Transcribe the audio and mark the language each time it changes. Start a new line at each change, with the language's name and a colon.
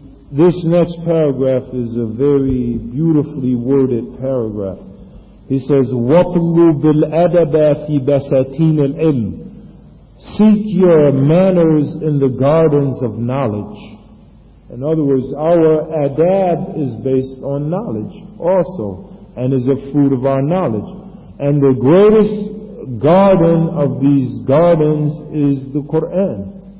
English: This next paragraph is a very beautifully worded paragraph. He says,
Arabic: وَطْلُبُ الْأَدَبَ فِي بَسَاتِينِ الْعِلْمِ.
English: Seek your manners in the gardens of knowledge. In other words, our adab is based on knowledge also, and is a fruit of our knowledge. And the greatest garden of these gardens is the Qur'an.